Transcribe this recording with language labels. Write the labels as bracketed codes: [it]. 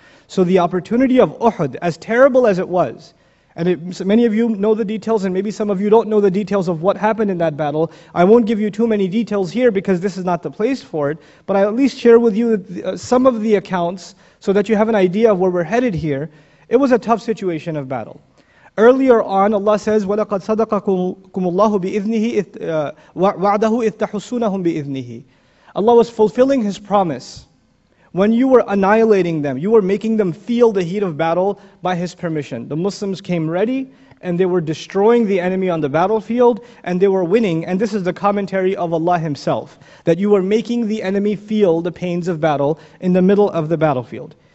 [en] So the opportunity of Uhud, as terrible as it was, and many of you know the details, and maybe some of you don't know the details of what happened in that battle. I won't give you too many details here because this is not the place for it, but I'll at least share with you some of the accounts so that you have an idea of where we're headed here. It was a tough situation of battle. Earlier on, Allah says, [ar] وَلَقَدْ صَدَقَكُمُ اللَّهُ بِإِذْنِهِ وَعْدَهُ إِذْ تَحُسُّونَهُمْ بِإِذْنِهِ. [en] Allah was fulfilling His promise when you were annihilating them, you were making them feel the heat of battle by His permission. The Muslims came ready and they were destroying the enemy on the battlefield and they were winning. And this is the commentary of Allah Himself, that you were making the enemy feel the pains of battle in the middle of the battlefield.